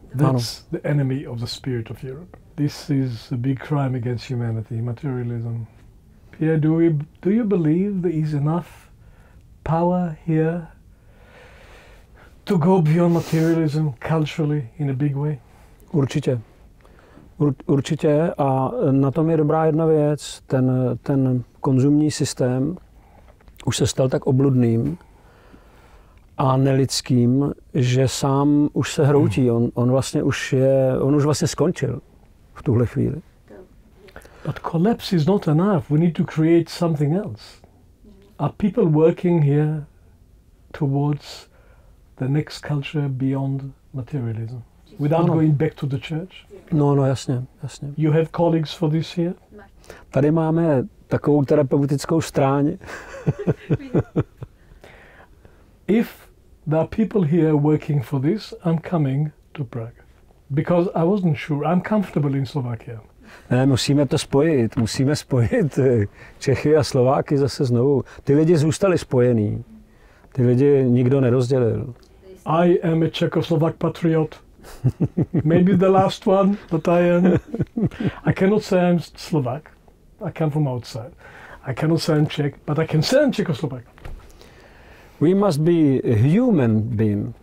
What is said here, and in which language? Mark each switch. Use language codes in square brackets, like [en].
[en] That's the enemy of the spirit of Europe. This is a big crime against humanity, materialism. Pierre, do you believe there is enough power here to go beyond materialism culturally in a big way? [cs] Určitě. Určitě. A na tom je dobrá jedna věc. Ten konzumní systém už se stal tak obludným a nelidským, že sám už se hroutí. On vlastně skončil v tuhle chvíli. [en] But collapse is not enough. We need to create something else. Are people working here towards the next culture beyond materialism without going back to the church? [cs] No, jasně. [en] You have colleagues for this here? [cs] Tady máme takovou terapeutickou stráň. [en] If there are people here working for this, I'm coming to Prague. Because I wasn't sure, I'm comfortable in Slovakia. [cs] Ne, musíme spojit Čechy a Slováky zase znovu. Ty lidi zůstali spojení. Ty lidi nikdo nerozdělil. [en] I am a Czechoslovak patriot. Maybe the last one, but I am. I cannot say I'm Slovak. I come from outside. I cannot say I'm Czech, but I can say I'm Czechoslovak. We must be a human being.